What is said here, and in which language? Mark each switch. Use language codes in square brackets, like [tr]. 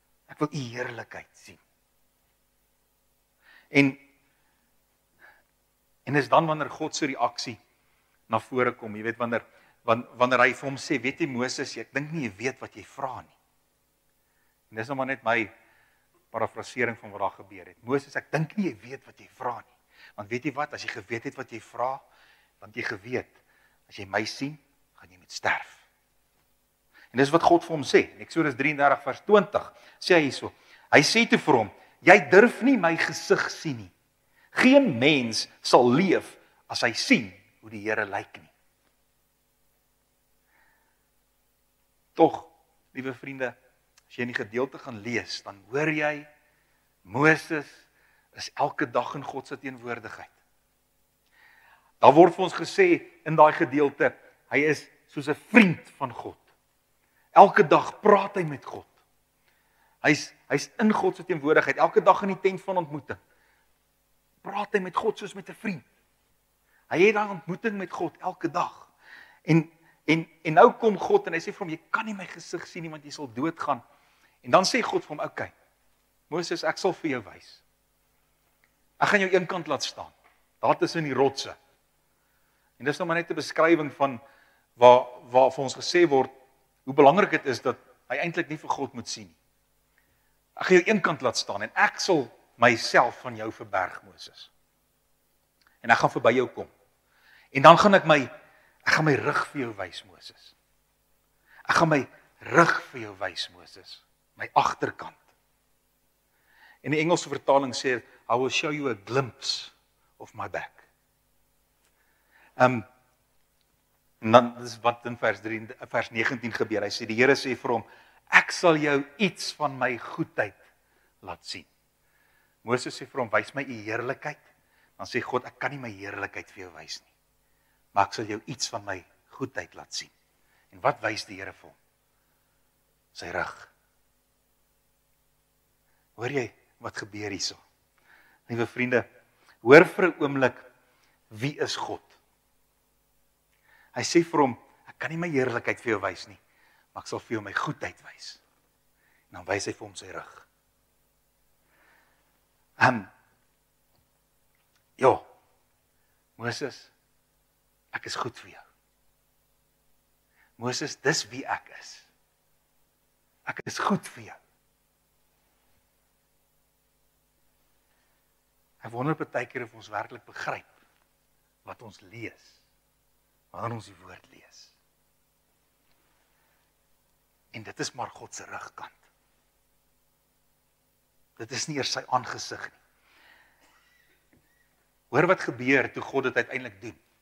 [af] Ek wil u heerlikheid sien. En is dan wanneer God se reaksie na vore kom, jy weet wanneer hy vir hom sê, weet jy Moses, ek dink nie jy weet wat jy vra nie. En dis nou maar net my parafrasering van wat daar gebeur het. Moses, ek dink nie jy weet wat jy vra nie. Want weet jy wat, as jy geweet het wat jy vra, want jy geweet, as jy my sien, gaan jy met sterf. En dis wat God vir hom sê. Exodus 33 vers 20 sê hy so. Hy sê toe vir hom, jy durf nie my gesig sien nie. Geen mens sal leef as hy sien hoe die Here lyk nie. Toch, liewe vriende, as jy in die gedeelte gaan lees, dan hoor jy, Moses is elke dag in God se teenwoordigheid. Daar word vir ons gesê in daai gedeelte, hy is soos 'n vriend van God. Elke dag praat hy met God. Hy's in God se teenwoordigheid, elke dag in die tent van ontmoeting. Praat hy met God soos met 'n vriend. Hy het daai ontmoeting met God elke dag. En nou kom God en hy sê vir hom, jy kan nie my gesig sien nie, want jy sal doodgaan. En dan sê God vir hom, oké, okay, Moses, ek sal vir jou wys. Ek gaan jou een kant laat staan. Daar tussen die rotse. En dis nou maar net 'n beskrywing van waar vir ons gesê word, hoe belangrik het is dat hy eintlik nie vir God moet sien nie. Ek gaan jou een kant laat staan en ek sal myself van jou verberg, Moses. En ek gaan verby jou kom. En dan gaan ek gaan my rug vir jou wys, Moses. Ek gaan my rug vir jou wys, Moses. My agterkant. En die Engelse vertaling sê, [en] I will show you a glimpse of my back. [af] En dan is wat in vers 19 gebeur. Hy sê, die Here sê vir hom, ek sal jou iets van my goedheid laat sien. Moses sê vir hom, wys my u heerlikheid. Dan sê God, ek kan nie my heerlikheid vir jou wys nie. Maar ek sal jou iets van my goedheid laat sien. En wat wys die Here vir hom? Sy rug. Hoor jy wat gebeur hierso? Liewe vriende, hoor vir 'n oomblik, wie is God? Hy sê vir hom, ek kan nie my heerlikheid vir jou wys nie, maar ek sal vir jou my goedheid wys. En dan wys hy vir hom sy rug. Ja, Moses, ek is goed vir jou. Moses, dis wie ek is. Ek is goed vir jou. Ek wonder partykeer of ons werklik begryp wat ons lees, wanneer ons die woord lees. En dit is maar God se rugkant. Dit is nie eers sy aangesig nie. Hoor wat gebeur toe God dit uiteindelik doen.